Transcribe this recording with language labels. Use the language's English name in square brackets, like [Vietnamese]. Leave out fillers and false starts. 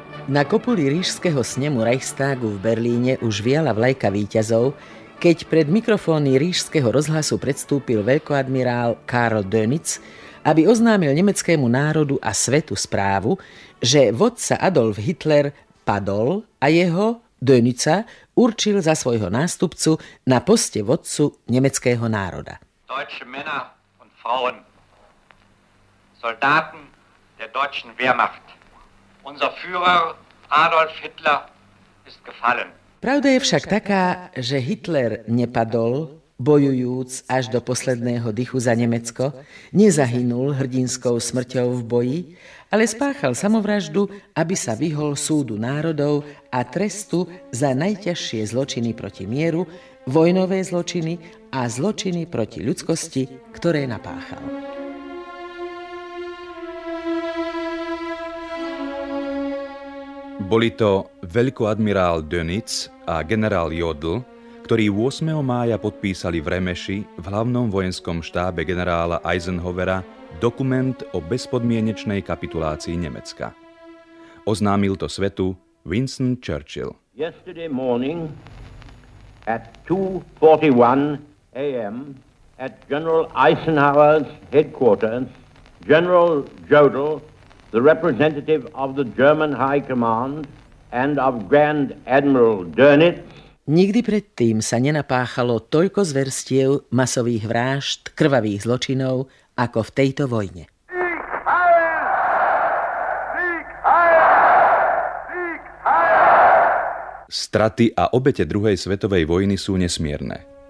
[Slovak] Na kopuli Rížského snemu Reichstagu v Berlíne už viala vlajka víťazov, keď pred mikrofóny Rížského rozhlasu predstúpil veľkoadmirál Karl Dönitz, aby oznámil nemeckému národu a svetu správu, že vodca Adolf Hitler padol a jeho, Dönitza, určil za svojho nástupcu na poste vodcu nemeckého národa. [German] Deutsche Männer und Frauen, Soldaten der deutschen Wehrmacht, unser Führer Adolf Hitler ist gefallen. [Slovak] Pravda je však taká, že Hitler nepadol, bojujúc až do posledného dychu za Nemecko, nezahynul hrdinskou smrťou v boji, ale spáchal samovraždu, aby sa vyhol súdu národov a trestu za najťažšie zločiny proti mieru, vojnové zločiny a zločiny proti ľudskosti, ktoré napáchal. Boli to veľkoadmirál Dönitz a generál Jodl, ktorí 8. mája podpísali v Remeši v hlavnom vojenskom štábe generála Eisenhowera dokument o bezpodmienečnej kapitulácii Nemecka. Oznámil to svetu Winston Churchill. [English] Yesterday morning at 2:41 a.m. at General Eisenhower's headquarters, General Jodl, the representative of the German High Command and of Grand Admiral Dönitz. [Slovak] Nikdy predtým sa nenapáchalo toľko zverstiev, masových vrážd, krvavých zločinov, ako v tejto vojne. Straty a obete druhej svetovej vojny sú nesmierne.